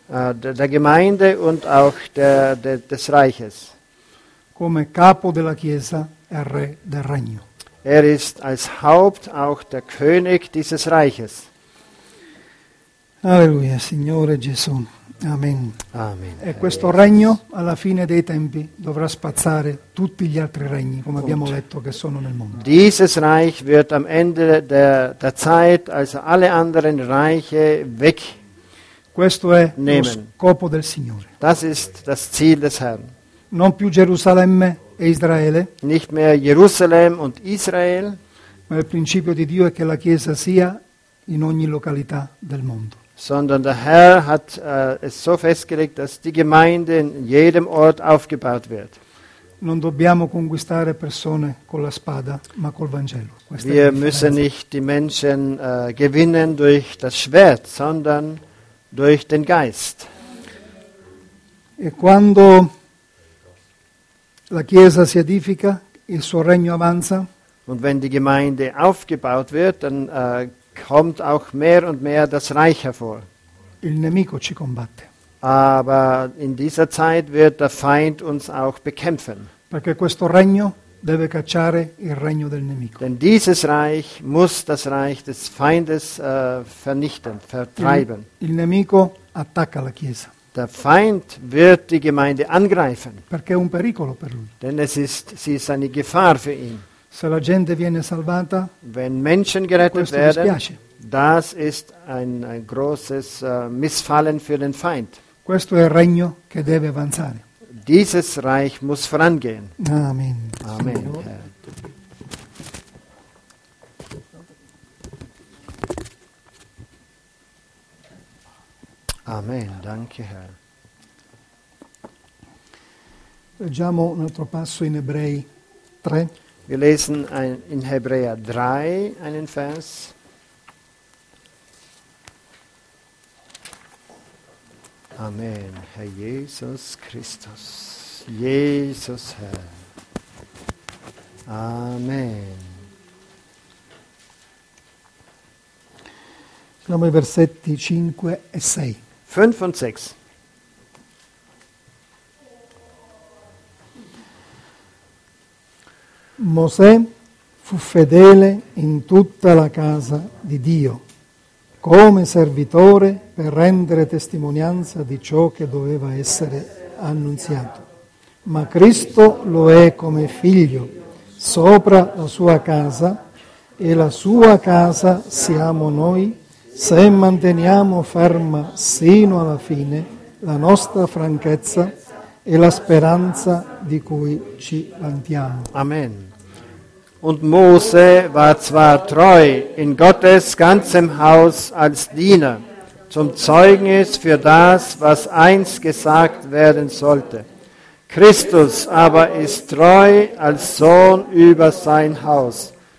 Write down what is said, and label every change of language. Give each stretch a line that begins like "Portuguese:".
German: Der Gemeinde und auch des Reiches.
Italian: Come capo della Chiesa è Re del Regno.
German: Er ist als Haupt auch der König dieses Reiches.
Italian: Alleluia, Signore Gesù. Amen. Amen. E questo regno alla fine dei tempi dovrà spazzare tutti gli altri regni, come abbiamo letto, che sono nel mondo.
German: Dieses Reich wird am Ende der Zeit also alle anderen Reiche weg.
Italian: Questo è lo scopo del Signore.
German: Das ist das Ziel des Herrn.
Italian: Non più Gerusalemme e Israele.
German: Nicht mehr Jerusalem und Israel.
Italian: Ma il principio di Dio è che la Chiesa sia in ogni località del mondo.
German: Sondern der Herr hat es so festgelegt, dass die Gemeinde in jedem Ort aufgebaut wird.
Italian: Non dobbiamo conquistare persone con la spada, ma col Vangelo.
German: Wir müssen nicht die Menschen gewinnen durch das Schwert, sondern durch den Geist.
Italian: E quando la Chiesa si edifica, il suo regno avanza.
German: Und wenn die Gemeinde aufgebaut wird, dann kommt auch mehr und mehr das Reich hervor.
Italian: Il nemico ci combatte.
German: Aber in dieser Zeit wird der Feind uns auch bekämpfen.
Italian: Perché questo regno deve cacciare il regno del nemico.
German: Denn dieses Reich muss das Reich des Feindes vernichten, vertreiben.
Italian: Il nemico attacca la Chiesa.
German: Der Feind wird die Gemeinde angreifen.
Italian: Perché è un pericolo per lui.
German: Denn sie ist eine Gefahr für ihn.
Italian: Se la gente viene salvata,
German: wenn Menschen gerettet werden,
Italian: dispiace.
German: Das ist ein großes Missfallen für den Feind.
Italian: Questo è il regno che deve avanzare.
German: Dieses Reich muss vorangehen. Amen. Amen. Amen. Danke, Herr.
Italian: Leggiamo un altro passo in Ebrei 3.
German: Wir lesen in Hebräer 3 einen Vers. Amen. Herr Jesus Christus. Jesus Herr. Amen.
Italian: Siamo ai versetti 5 e 6.
German: 5 und 6.
Italian: Mosè fu fedele in tutta la casa di Dio, come servitore per rendere testimonianza di ciò che doveva essere annunziato. Ma Cristo lo è come figlio, sopra la sua casa, e la sua casa siamo noi, se manteniamo ferma sino alla fine la nostra franchezza e la speranza di cui ci vantiamo. Amen.
German: Und Mose war zwar treu in Gottes ganzem Haus als Diener, zum Zeugnis für das, was einst gesagt werden sollte. Christus aber ist treu als Sohn über sein Haus.